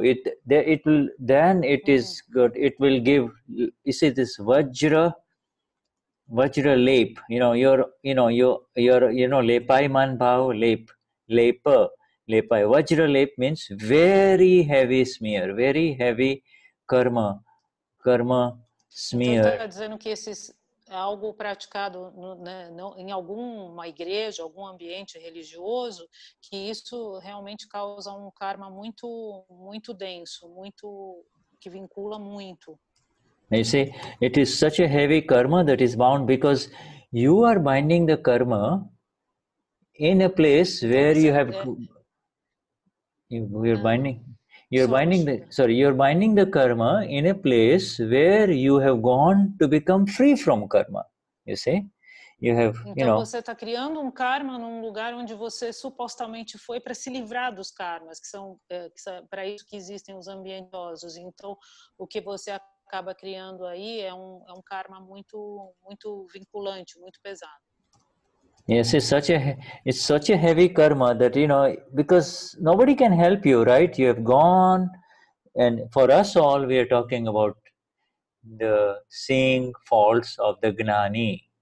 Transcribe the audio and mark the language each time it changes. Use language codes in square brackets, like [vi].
[en] It will give, you see, this vajra lep, lepai vajra lep means very heavy smear, very heavy karma smear. [pt] Então, tá dizendo que esses algo praticado em alguma igreja, algum ambiente religioso, que isso realmente causa um karma muito, muito denso, muito, que vincula muito. [en] You see, it is such a heavy karma that is bound because you are binding the karma in a place where you have you're binding the karma in a place where you have gone to become free from karma. You see? You have, you [pt] então [en] know, [pt] você está criando um karma num lugar onde você supostamente foi para se livrar dos karmas, que são para isso que existem os ambientosos. Então, o que você acaba criando aí é um karma muito, muito vinculante, muito pesado. [en] Yes, it's such a heavy karma that, you know, because nobody can help you, right? You have gone, and for us all, we are talking about the seeing faults of the Gnani.